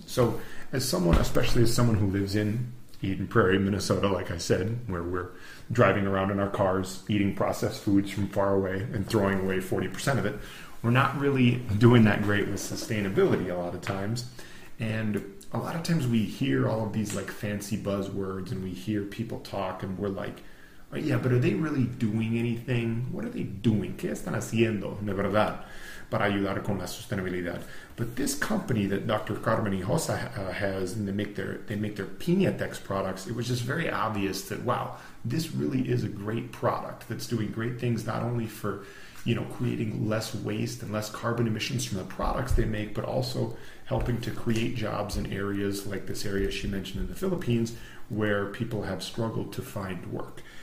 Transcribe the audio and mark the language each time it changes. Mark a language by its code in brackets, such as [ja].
[en] So especially as someone who lives in Eden Prairie, Minnesota, like I said, where we're driving around in our cars, eating processed foods from far away and throwing away 40% of it, we're not really doing that great with sustainability a lot of times. And a lot of times we hear all of these like fancy buzzwords and we hear people talk and we're like, oh, yeah, but are they really doing anything? What are they doing? [es] ¿Qué están haciendo, de verdad, para ayudar con la sustentabilidad? [en] But this company that Dr. Carmen Hijosa has, and they make their Piñatex products, it was just very obvious that, wow, this really is a great product that's doing great things, not only for, you know, creating less waste and less carbon emissions from the products they make, but also helping to create jobs in areas like this area she mentioned in the Philippines, where people have struggled to find work.